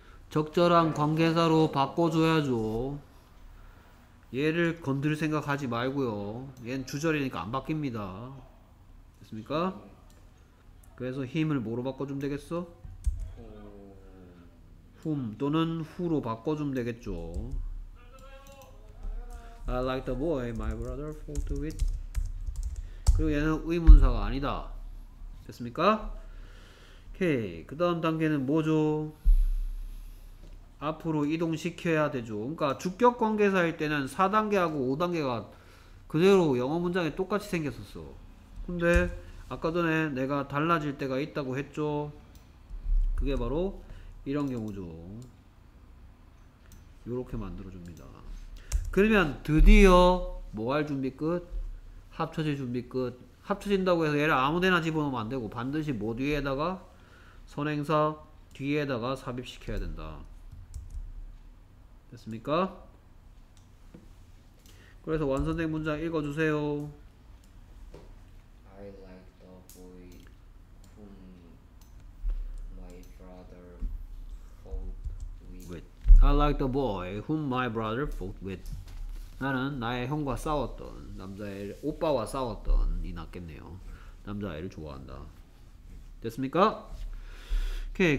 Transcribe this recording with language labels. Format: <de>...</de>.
<ko>적절한 관계사로 바꿔줘야죠. 얘를 건드릴 생각 하지 말고요. 얘는 주절이니까 안 바뀝니다. 됐습니까? 그래서 힘을 뭐로 바꿔주면 되겠어? 훔 또는 후로 바꿔주면 되겠죠.</ko> <en>I like the boy my brother fought with.</en> <ko>그리고 얘는 의문사가 아니다. 됐습니까? 오케이. 그 다음 단계는 뭐죠? 앞으로 이동시켜야 되죠. 그러니까 주격관계사일 때는 4단계하고 5단계가 그대로 영어 문장에 똑같이 생겼었어. 근데 아까 전에 내가 달라질 때가 있다고 했죠. 그게 바로 이런 경우죠. 요렇게 만들어줍니다. 그러면 드디어 뭐 할 준비 끝? 합쳐질 준비 끝. 합쳐진다고 해서 얘를 아무데나 집어넣으면 안 되고 반드시 뭐 뒤에다가? 선행사 뒤에다가 삽입시켜야 된다. 됐습니까? 그래서 완성된 문장 읽어주세요.</ko> <en>I like the boy whom my brother fought with. I like the boy whom my brother fought with.</en> <ko>나는 나의 형과 싸웠던 남자애를, 오빠와 싸웠던 이 낫겠네요. 남자애를 좋아한다. 됐습니까? 오케이.</ko>